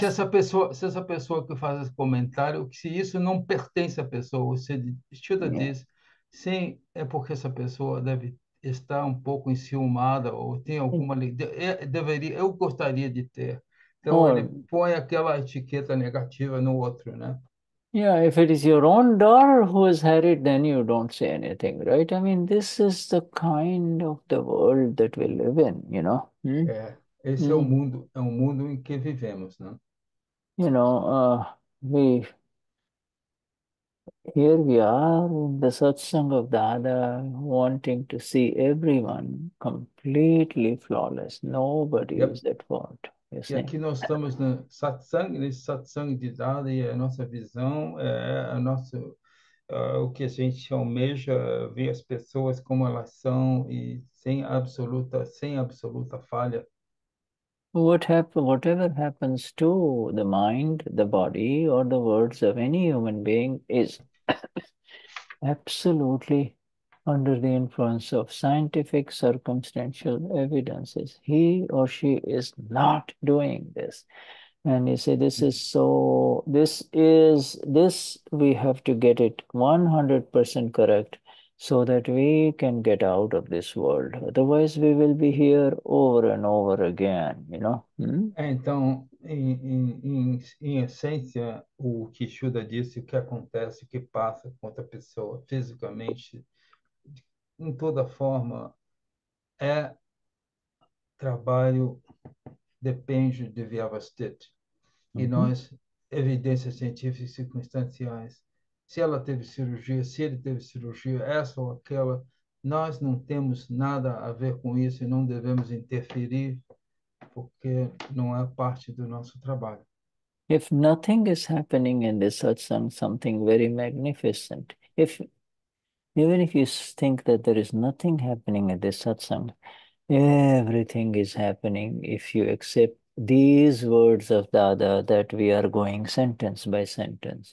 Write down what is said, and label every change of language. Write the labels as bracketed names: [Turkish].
[Portuguese] se essa pessoa que faz esse comentário, se isso não pertence à pessoa, você estuda disso, sim, é porque essa pessoa deve estar um pouco enciumada ou tem alguma... deveria, eu gostaria de ter. Então, [English] Or... [Portuguese] ele põe aquela etiqueta negativa no outro, né? [English] Yeah, if it is your own daughter who has had it, then you don't say anything, right? I mean, this is the kind of the world that we live in, you know? [Portuguese] É. Esse é o mundo em que vivemos, né? [English] You know, we here we are in the satsang of Dada, wanting to see everyone completely flawless. Nobody Yep. is at fault, you [Portuguese] E [English] see. [Portuguese] aqui nós estamos no satsang, nesse satsang de Dada, e a nossa visão é a nossa, o que a gente almeja, ver as pessoas como elas são e sem absoluta falha. [English] Whatever happens to the mind, the body, or the words of any human being is absolutely under the influence of scientific circumstantial evidences. He or she is not doing this. And you say, this is so, this is, this we have to get it 100% correct so that we can get out of this world. Otherwise, we will be here over and over again, you know? [Portuguese] Então, em essência, o que Shuddha disse, o que acontece, o que passa com outra pessoa fisicamente, em toda forma, é trabalho, depende de Vyavastit. E nós, evidências científicas circunstanciais, se ela teve cirurgia, se ele teve cirurgia, essa ou aquela, nós não temos nada a ver com isso e não devemos interferir, porque não é parte do nosso trabalho. [English] If nothing is happening in this satsang, something very magnificent. If even if you think that there is nothing happening in this satsang, everything is happening if you accept these words of Dada that we are going sentence by sentence.